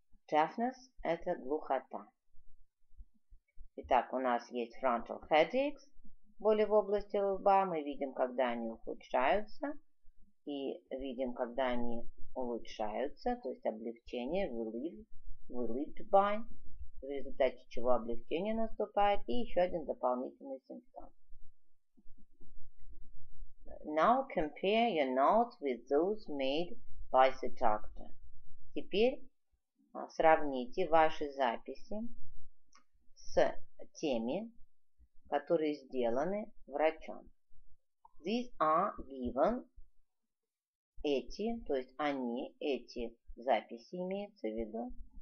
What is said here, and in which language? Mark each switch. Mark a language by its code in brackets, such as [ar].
[ru] Deafness — это глухота. Итак, у нас есть frontal headaches, боли в области лба. Мы видим, когда они ухудшаются, и видим, когда они улучшаются, то есть облегчение, relieved by, в результате чего облегчение наступает, и еще один дополнительный симптом. [en] Now compare your notes with those made by the doctor. [ru] Теперь сравните ваши записи с теми, которые сделаны врачом. [en] These are given. [ru] Эти, то есть они, эти записи имеются в виду.